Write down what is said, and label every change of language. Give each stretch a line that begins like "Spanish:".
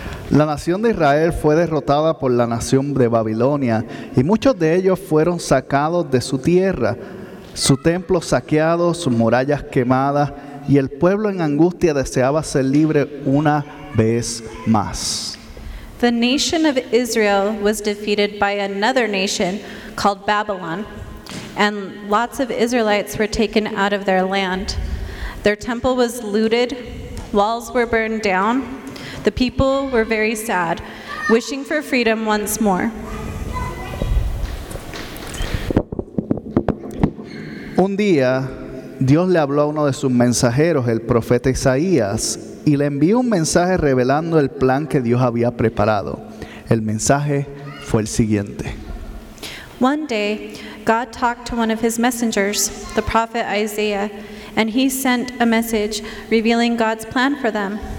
Spanish: La nación de Israel fue derrotada por la nación de Babilonia, y muchos de ellos fueron sacados de su tierra, su templo saqueado, sus murallas quemadas, y el pueblo en angustia deseaba ser libre una vez más.
English: The nation of Israel was defeated by another nation called Babylon, and lots of Israelites were taken out of their land. Their temple was looted, walls were burned down. The people were very sad, wishing for freedom once more.
Spanish: Un día, Dios le habló a uno de sus mensajeros, el profeta Isaías, y le envió un mensaje revelando el plan que Dios había preparado. El mensaje fue el siguiente.
English: One day, God talked to one of his messengers, the prophet Isaiah, and he sent a message revealing God's plan for them.